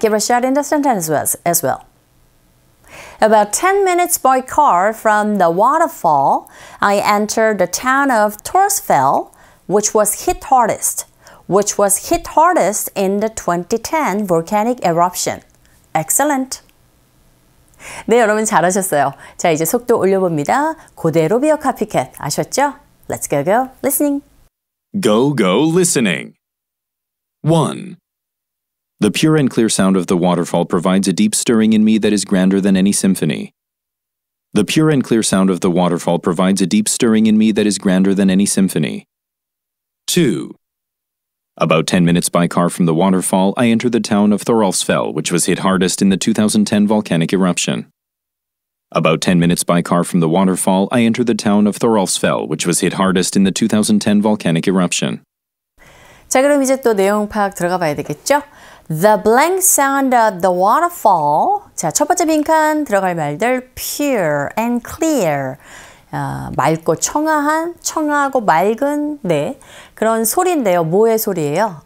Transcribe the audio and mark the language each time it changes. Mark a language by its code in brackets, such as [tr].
[en] Give a shot in the sentence as well. About 10 minutes by car from the waterfall, I entered the town of Torsfell, which was hit hardest, which was hit hardest in the 2010 volcanic eruption. Excellent. [ko] 네, 여러분 잘하셨어요. 자, 이제 속도 올려봅니다. 그대로 비어 카피캣 아셨죠? [en] Let's go, go, listening. Go, go, listening. 1. The pure and clear sound of the waterfall provides a deep stirring in me that is grander than any symphony. The pure and clear sound of the waterfall provides a deep stirring in me that is grander than any symphony. 2. About 10 minutes by car from the waterfall, I enter the town of Thoralfsfell, which was hit hardest in the 2010 volcanic eruption. About 10 minutes by car from the waterfall, I enter the town of Thoralfsfell, which was hit hardest in the 2010 volcanic eruption. [ko] 자, 그럼 이제 또 내용 파악 들어가 봐야 되겠죠? [en] The blank sound of the waterfall. [ko] 자, 첫 번째 빈칸 들어갈 말들 [en] pure and clear. [ko] 맑고 청아한, 청아하고 맑은, 네. 그런 소리인데요. 뭐의 소리예요?